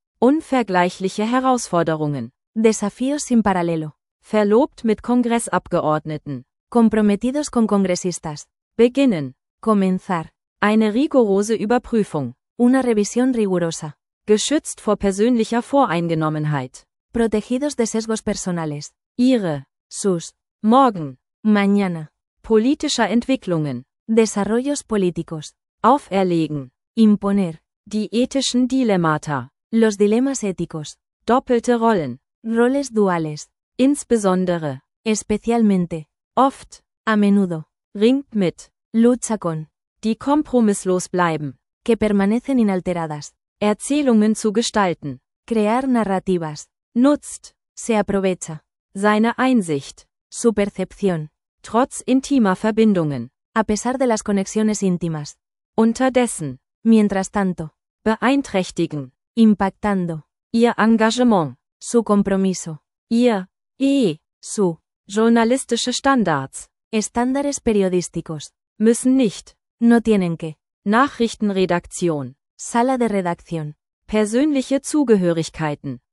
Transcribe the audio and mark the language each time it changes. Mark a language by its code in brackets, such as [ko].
[de] Unvergleichliche Herausforderungen. [es] Desafíos sin paralelo. [de] Verlobt mit Kongressabgeordneten. [es] Comprometidos con congresistas. [de] Beginnen. [es] Comenzar. [de] Eine rigorose Überprüfung. [es] Una revisión rigurosa. [de] Geschützt vor persönlicher Voreingenommenheit. [es] Protegidos de sesgos personales. [de] Ihre. [es] Sus. [de] Morgen. [es] Mañana. [de] Politischer Entwicklungen. [es] Desarrollos políticos. [de] Auferlegen. [es] Imponer. [de] Die ethischen Dilemmata. [es] Los dilemas éticos. [de] Doppelte Rollen. [es] Roles duales. [de] Insbesondere. [es] Especialmente. [de] Oft. [es] A menudo. [de] Ringt mit. [es] Lucha con. [de] Die kompromisslos bleiben. [es] Que permanecen inalteradas. [de] Erzählungen zu gestalten. [es] Crear narrativas. [de] Nutzt. [es] Se aprovecha. [de] Seine Einsicht. [es] Su percepción. [de] Trotz intimer Verbindungen. [es] A pesar de las conexiones íntimas. [de] Unterdessen. [es] Mientras tanto. [de] Beeinträchtigen. [es] Impactando. [de] Ihr Engagement. [es] Su compromiso. [de] Ihr. [es] Su. [de] Journalistische Standards. [es] Estándares periodísticos. [de] Müssen nicht. [es] No tienen que. [de] Nachrichtenredaktion. [es] Sala de redacción. [de] Persönliche Zugehörigkeiten.